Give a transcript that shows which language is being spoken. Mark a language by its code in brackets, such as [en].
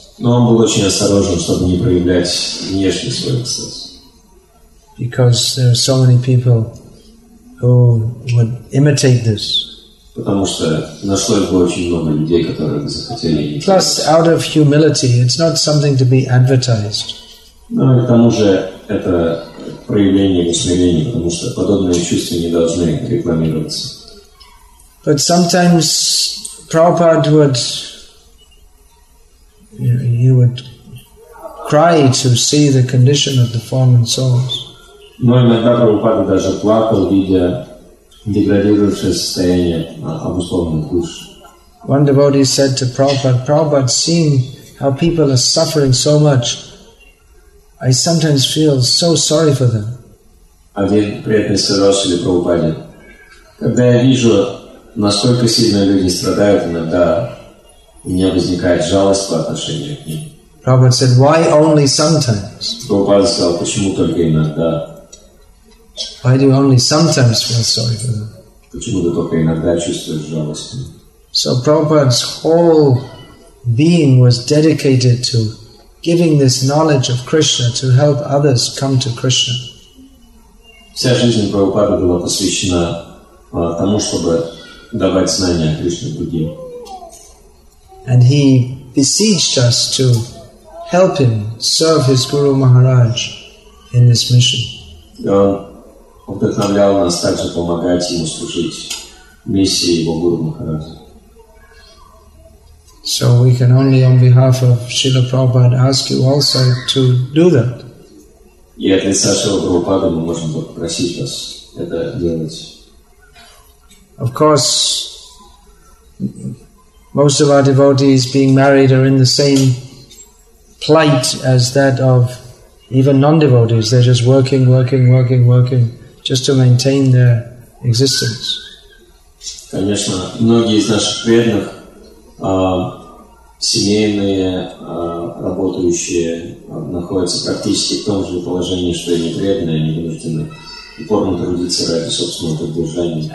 [ru] Но он был очень осторожен, чтобы не проявлять внешний свой экстаз. [en] Because there are so many people who would imitate this. [ru] Потому что нашлось бы очень много людей, которые бы захотели иметь. [en] Plus, out of humility, it's not something to be advertised. [ru] Ну и к тому же это проявление усмирения, потому что подобные чувства не должны рекламироваться. [en] But sometimes Prabhupada would, he would cry to see the condition of the fallen souls. [ru] Но иногда Прабхупада даже плакал, видя деградирующее состояние обусловленных душ. [en] One devotee said to Prabhupada, Prabhupada, seeing how people are suffering so much, I sometimes feel so sorry for them. [ru] Один преданный сказал себе Прабхупаде, когда я вижу, насколько сильно люди страдают, иногда у меня возникает жалость по отношению к ним. [en] Prabhupada said, why only sometimes? [ru] Прабхупада сказал, почему только иногда? [en] Why do you only sometimes feel sorry for them? [ru] Почему ты только иногда чувствуешь жалость? [en] So Prabhupada's whole being was dedicated to giving this knowledge of Krishna to help others come to Krishna. [ru] Вся жизнь Прабхупады была посвящена тому, чтобы давать знания о Кришне другим. [en] And he beseeched us to help him serve his Guru Maharaj in this mission. [ru] Он вдохновлял нас также помогать ему служить миссии его Гуру Махараджа. [en] So we can only on behalf of Srila Prabhupada ask you also to do that. [ru] И от лица Шрилы Прабхупады мы можем попросить вас это делать. [en] Of course, most of our devotees being married are in the same plight as that of even non-devotees. They're just working, working, working, working, just to maintain their existence. [ru] Конечно, многие из наших преданных, семейные, работающие, находятся практически в том же положении, что и непреданные, они вынуждены упорно трудиться ради собственного поддержания.